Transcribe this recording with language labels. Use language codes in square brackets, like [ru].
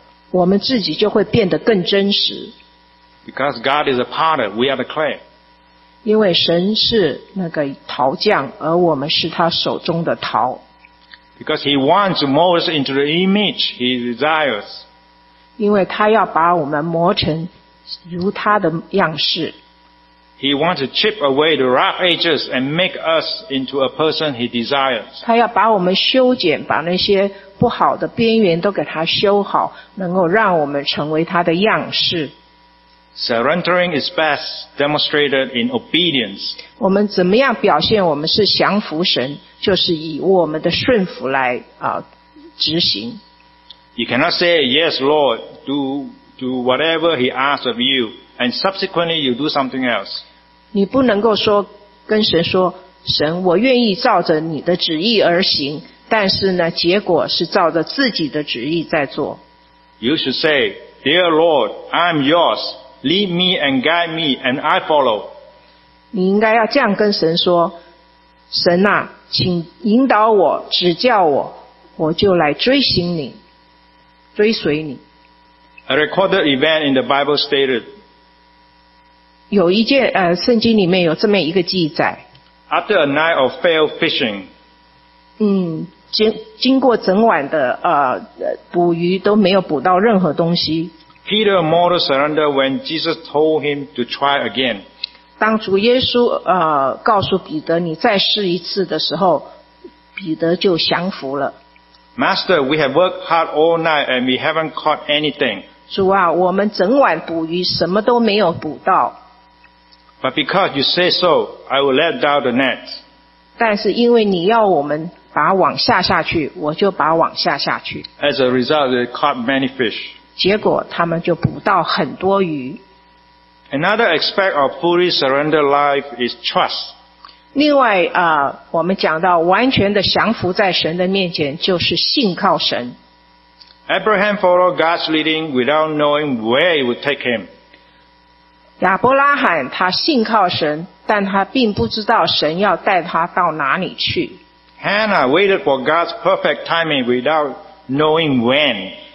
[zh] 我们自己就会变得更真实。 [en] Because God is a potter, we are the clay. [zh] 因为神是那个陶匠，而我们是他手中的陶。 [en] Because he wants to mold us into the image he desires. [zh] 因为他要把我们磨成如他的样式。 [en] He wants to chip away the rough edges and make us into a person he desires. [zh] 他要把我们修剪，把那些不好的边缘都给他修好，能够让我们成为他的样式。 [en] Surrendering is best demonstrated in obedience. [zh] 我们怎么样表现我们是降服神，就是以我们的顺服来执行。 [en] You cannot say, yes, Lord, do whatever he asks of you, and subsequently you do something else. [zh] 你不能够说跟神说，神，我愿意照着你的旨意而行，但是呢，结果是照着自己的旨意在做。 [en] You should say, dear Lord, I'm yours, lead me and guide me, and I follow. [zh] 你应该要这样跟神说，神啊，请引导我，指教我，我就来追行你。追随你。 [en] A recorded event in the Bible stated, [zh] 有一件圣经里面有这么一个记载。 [en] After a night of failed fishing, [zh] 经过整晚的捕鱼都没有捕到任何东西。 [en] Peter modeled surrender when Jesus told him to try again. [zh] 当主耶稣告诉彼得你再试一次的时候，彼得就降服了。 [en] Master, we have worked hard all night and we haven't caught anything. [zh] 主啊，我们整晚捕鱼，什么都没有捕到。 [en] But because you say so, I will let down the net. [zh] 但是因为你要我们把网下下去，我就把网下下去。 [en] As a result, they caught many fish. [zh] 结果他们就捕到很多鱼。 [en] Another aspect of fully surrendered life is trust. [zh] 另外我们讲到完全的降服在神的面前就是信靠神。 [en] Abraham followed God's leading without knowing where it would take him. [zh] 亚伯拉罕他信靠神，但他并不知道神要带他到哪里去。 [en] Hannah waited for God's perfect timing without knowing when.